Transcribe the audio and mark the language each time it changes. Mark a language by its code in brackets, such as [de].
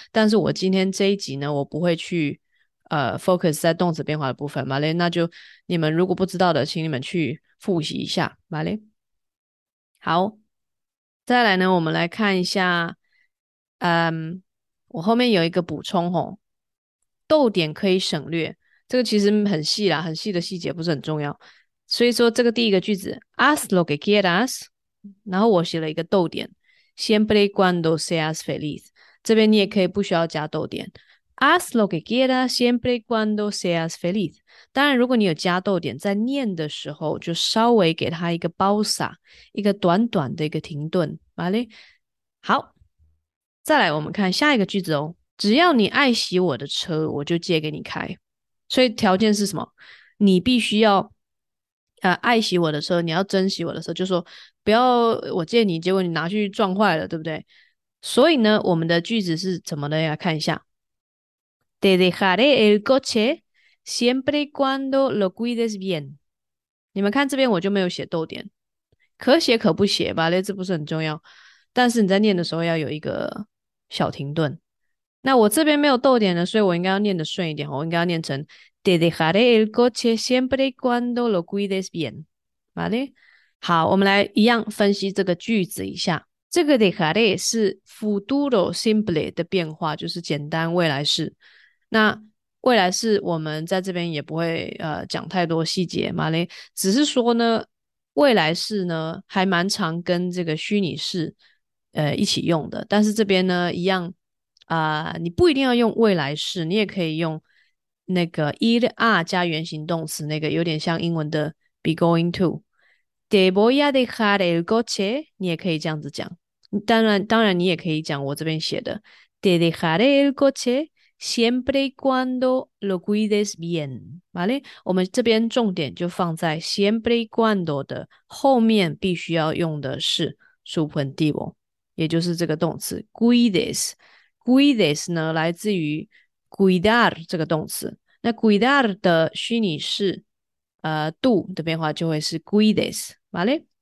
[zh] 但是我今天这一集呢，我不会去focus 在动词变化的部分，马嘞，那就你们如果不知道的，请你们去复习一下，马嘞。好，再来呢，我们来看一下，我后面有一个补充吼，逗点可以省略，这个其实很细啦，很细的细节不是很重要。所以说这个第一个句子 ， [es] as lo que quieras， [zh] 然后我写了一个逗点 ， [es] siempre y cuando seas feliz， [zh] 这边你也可以不需要加逗点 ， [es] as lo que quieras siempre y cuando seas feliz。 [zh] 当然，如果你有加逗点，在念的时候就稍微给它一个 pausa， 一个短短的一个停顿， [es] vale？ [zh] 好，再来我们看下一个句子哦，只要你爱惜我的车，我就借给你开。所以条件是什么？你必须要，爱惜我的车，你要珍惜我的车，就说不要我借你，结果你拿去撞坏了，对不对？所以呢，我们的句子是怎么的呀？看一下， [es] Te dejaré el coche siempre cuando lo cuides bien。 [zh] 你们看这边我就没有写逗点，可写可不写吧，这字不是很重要。但是你在念的时候要有一个小停顿。那我这边没有逗点的，所以我应该要念得顺一点，我应该要念成 [es] Te dejaré el coche siempre cuando lo cuides bien, ¿vale？ [zh] 好，我们来一样分析这个句子一下。这个 dejaré 是 futuro simple 的变化，就是简单未来式。那未来式我们在这边也不会讲太多细节， [es] ¿vale？ [zh] 只是说呢，未来式呢还蛮常跟这个虚拟式一起用的，但是这边呢一样。你不一定要用未来式，你也可以用那个 ir a 加原形动词，那个有点像英文的 [en] be going to。 [es] Te voy a dejar el coche， [zh] 你也可以这样子讲。当然，你也可以讲我这边写的 [es] Te dejaré el coche siempre cuando lo cuides bien。 vale？ [zh] 我们这边重点就放在 siempre cuando 的后面，必须要用的是 subjuntivo，也就是这个动词 cuides。 Cuides 呢，来自于 cuidar 这个动词。那 cuidar 的虚拟式，度的变化就会是 cuides， [es] vale？